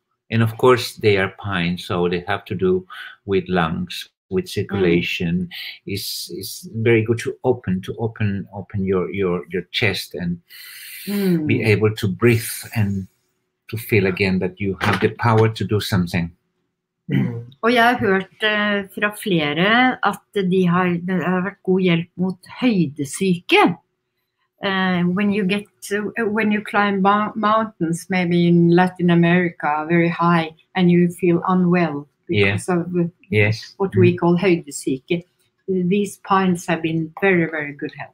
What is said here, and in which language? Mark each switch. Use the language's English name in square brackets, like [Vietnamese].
[English] And of course, they are pine, so they have to do with lungs, with circulation. It's very good to open your chest and be able to breathe and to feel again that you have the power to do something. [Norwegian] Og jeg har hørt fra flere at det har vært god hjelp mot høydesyke. [English] When you climb mountains, maybe in Latin America, very high, and you feel unwell because of what we call høydesyke, these pines have been very, very good help.